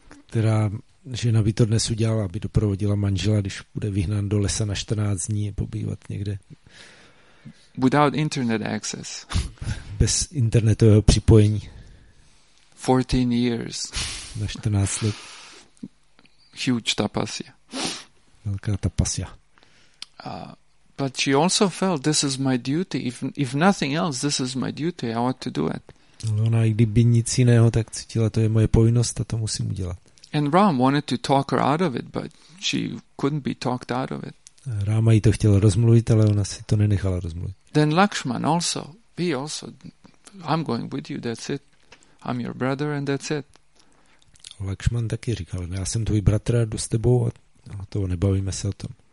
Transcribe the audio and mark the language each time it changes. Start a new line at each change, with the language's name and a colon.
Czech: Která žena by to dnes udělala, aby doprovodila manžela, když bude vyhnán do lesa na 14 dní a pobývat někde?
English: Without internet access.
Czech: Bez internetového připojení.
English: 14 years.
Czech: Na 14 let.
English: Huge tapasya.
Czech: Velká tapasya.
English: But she also felt this is my duty. If nothing else, this is my duty. I ought to do it.
Czech: Ona i kdyby nic jiného, tak cítila, to je moje povinnost a to musím udělat.
English: And Ram wanted to talk her out of it, but she couldn't be talked out of it.
Czech: Ráma jí to chtěla rozmluvit, ale ona si to nenechala rozmluvit.
English: Then Lakshman also. He also. I'm going with you, that's it. I'm your brother and that's it.
Czech: Lakshman taky říkal, já jsem tvůj bratr, jdu s tebou a toho nebavíme se o tom.